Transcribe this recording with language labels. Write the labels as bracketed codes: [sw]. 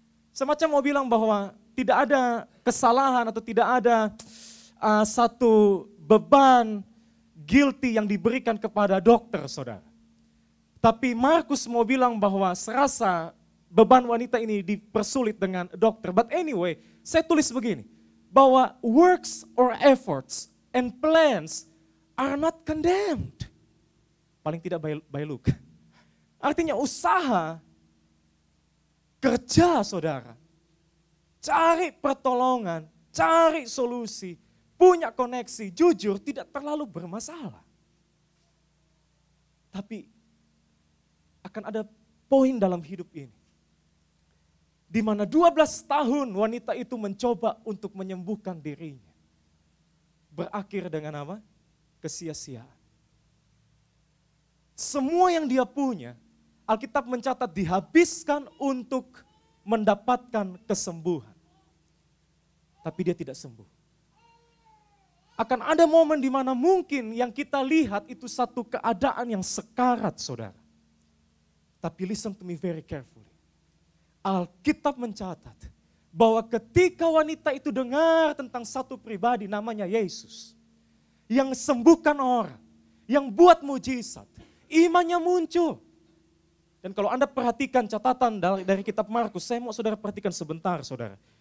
[id] Semacam mau bilang bahwa tidak ada kesalahan atau tidak ada satu beban guilty yang diberikan kepada dokter, saudara. Tapi Markus mau bilang bahwa serasa beban wanita ini dipersulit dengan dokter. [en] But anyway, [id] saya tulis begini, bahwa [en] works or efforts and plans are not condemned. [id] Paling tidak [en] by Luke. [id] Artinya usaha, kerja, saudara, cari pertolongan, cari solusi, punya koneksi, jujur, tidak terlalu bermasalah. Tapi akan ada poin dalam hidup ini, di mana 12 tahun wanita itu mencoba untuk menyembuhkan dirinya, berakhir dengan apa? Kesia-siaan. Semua yang dia punya, Alkitab mencatat dihabiskan untuk mendapatkan kesembuhan. Tapi dia tidak sembuh. Akan ada momen di mana mungkin yang kita lihat itu satu keadaan yang sekarat, saudara. Tapi [en] listen to me very carefully. [id] Alkitab mencatat bahwa ketika wanita itu dengar tentang satu pribadi namanya Yesus, yang sembuhkan orang, yang buat mujizat, imannya muncul. Dan kalau Anda perhatikan catatan dari kitab Markus, saya mau saudara perhatikan sebentar, saudara.